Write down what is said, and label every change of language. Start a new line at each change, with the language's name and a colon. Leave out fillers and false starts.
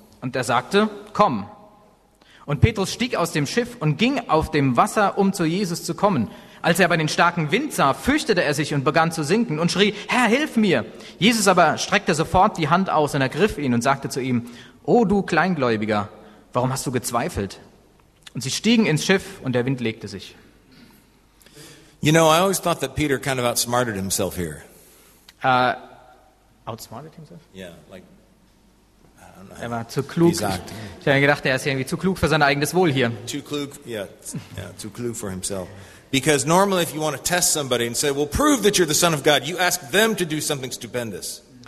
German: Und er sagte, komm. Und Petrus stieg aus dem Schiff und ging auf dem Wasser, um zu Jesus zu kommen. Als er aber den starken Wind sah, fürchtete er sich und begann zu sinken und schrie, Herr, hilf mir! Jesus aber streckte sofort die Hand aus und ergriff ihn und sagte zu ihm, O du Kleingläubiger, warum hast du gezweifelt? Und sie stiegen ins Schiff und der Wind legte sich.
English: You know, I always thought that Peter kind of outsmarted himself here. Outsmarted himself? Yeah, like, I don't know.
German: Er war zu klug. Ich habe gedacht, er ist irgendwie zu klug für sein eigenes Wohl hier.
English: Too klug, too klug for himself. Because normally if you want to test somebody and say, well, prove that you're the Son of God, you ask them to do something stupendous.